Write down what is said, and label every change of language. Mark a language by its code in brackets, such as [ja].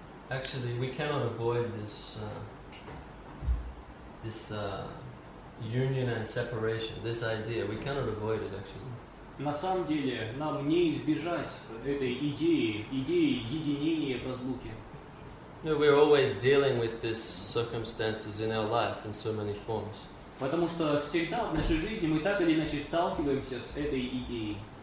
[en] Actually, we cannot avoid this this union and separation, this idea. We cannot avoid it, actually. [ru] На самом деле, нам не избежать этой идеи, идеи единения в разлуке. [en] No, we're always dealing with these circumstances in our life in so many forms. [ru] Потому что всегда в нашей жизни мы так или иначе сталкиваемся с этой идеей.